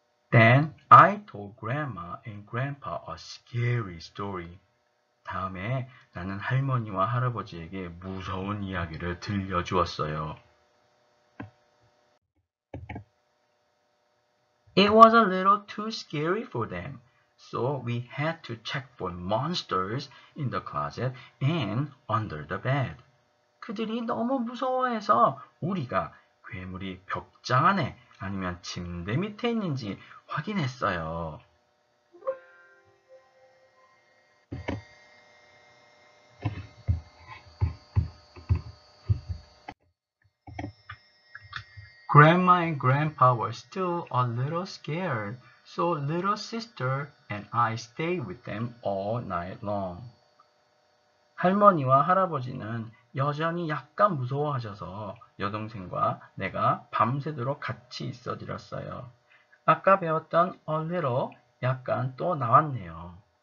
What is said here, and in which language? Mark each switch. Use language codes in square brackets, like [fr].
[en] Then I told Grandma and Grandpa a scary story. [ko] 다음에 나는 할머니와 할아버지에게 무서운 이야기를 들려주었어요. [en] It was a little too scary for them. So we had to check for monsters in the closet and under the bed. [ko] 그들이 너무 무서워해서 우리가 괴물이 벽장 안에 아니면 침대 밑에 있는지 확인했어요. [en] Grandma and Grandpa were still a little scared, so little sister and I stayed with them all night long. [ko] 할머니와 할아버지는 여전히 약간 무서워하셔서 여동생과 내가 밤새도록 같이 있어드렸어요. 아까 배웠던 a little 약간 또 나왔네요.